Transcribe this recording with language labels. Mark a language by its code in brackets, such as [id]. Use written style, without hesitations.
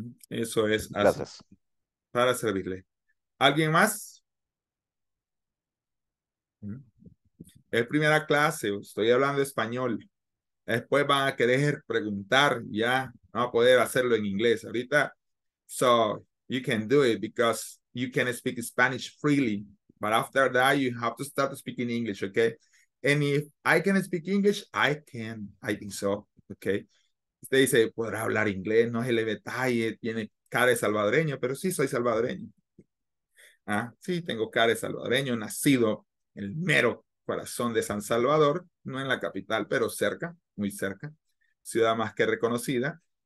[es] Eso es así. Gracias. Para servirle. ¿Alguien más? Es primera clase, estoy hablando español. Después van a querer preguntar, ya no va a poder hacerlo en inglés. [en] Ahorita, so you can do it because you can speak Spanish freely. But after that, you have to start speaking English, okay? And if I can speak English, I can. I think so, okay? [es] Usted dice, ¿podrá hablar inglés? No es el detalle, tiene cara de salvadoreño, pero sí soy salvadoreño. Ah, sí, tengo cara de salvadoreño, nacido en el mero corazón de San Salvador, no en la capital, pero cerca, muy cerca, ciudad más que reconocida.